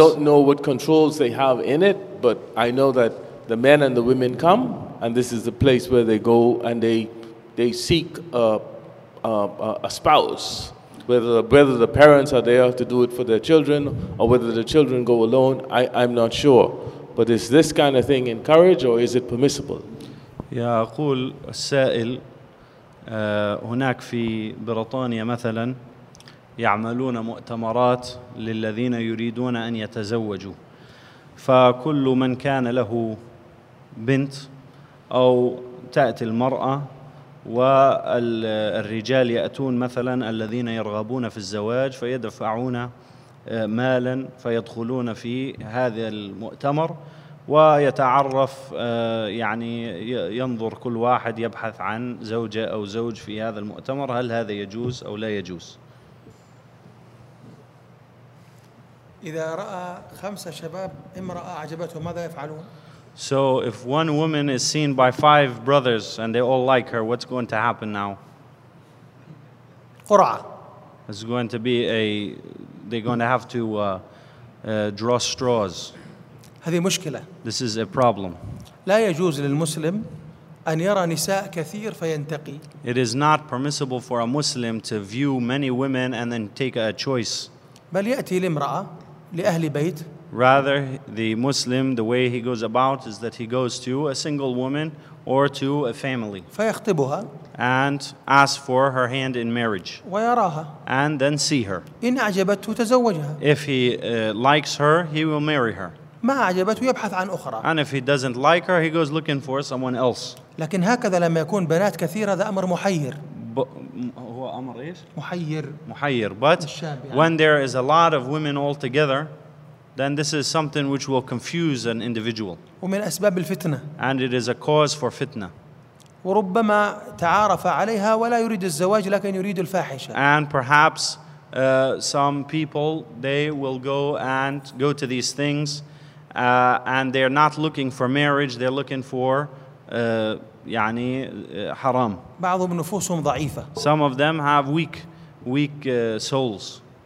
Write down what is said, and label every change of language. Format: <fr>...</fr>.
<en>I don't know what controls they have in it, but I know that the men and the women come, and this is the place where they go and they seek a spouse, whether the parents are there to do it for their children or whether the children go alone, I'm not sure. But is this kind of thing encouraged or is it permissible?</en> <ar>يا أقول السائل هناك في بريطانيا مثلا يعملون مؤتمرات للذين يريدون أن يتزوجوا فكل من كان له بنت أو تأتي المرأة والرجال يأتون مثلا الذين يرغبون في الزواج فيدفعون مالا فيدخلون في هذا المؤتمر ويتعرف يعني ينظر كل واحد يبحث عن زوجة أو زوج في هذا المؤتمر هل هذا يجوز أو لا يجوز إذا رأى خمسة شباب امرأة عجبته ماذا يفعلون؟</ar> <en>So if one woman is seen by five brothers and they all like her, what's going to happen now?</en> <ar>قرعة.</ar> <en>It's going to be a, they're going to have to draw straws.</en> <ar>هذه مشكلة.</ar> <en>This is a problem.</en> <ar>لا يجوز للمسلم أن يرى نساء كثير فينتقي.</ar> <en>It is not permissible for a Muslim to view many women and then take a choice.</en> <ar>بل يأتي لامرأة لأهل بيت.</ar> <en>Rather, the Muslim, the way he goes about is that he goes to a single woman or to a family.</en> <ar>فيخطبها.</ar> <en>And ask for her hand in marriage.</en> <ar>ويراها.</ar> <en>And then see her.</en> <ar>إن أعجبته تزوجها.</ar> <en>If he likes her, he will marry her.</en> <ar>ما أعجبته يبحث عن أخرى.</ar> <en>And if he doesn't like her, he goes looking for someone else.</en> <ar>لكن هكذا لما يكون بنات كثيرة هذا أمر محير. هو أمر إيش؟ محير. محير.</ar> <en>But when there is a lot of women all together, then this is something which will confuse an individual.</en> <ar>ومن أسباب الفتنة.</ar> <en>And it is a cause for fitna.</en> <ar>وربما تعارف عليها ولا يريد الزواج لكن يريد الفاحشة.</ar> <en>And perhaps some people, they will go and go to these things and they're not looking for marriage, they're looking for</en> <ar>يعني حرام. بعضهم نفوسهم ضعيفة.</ar> <en>Some of them have weak souls.</en>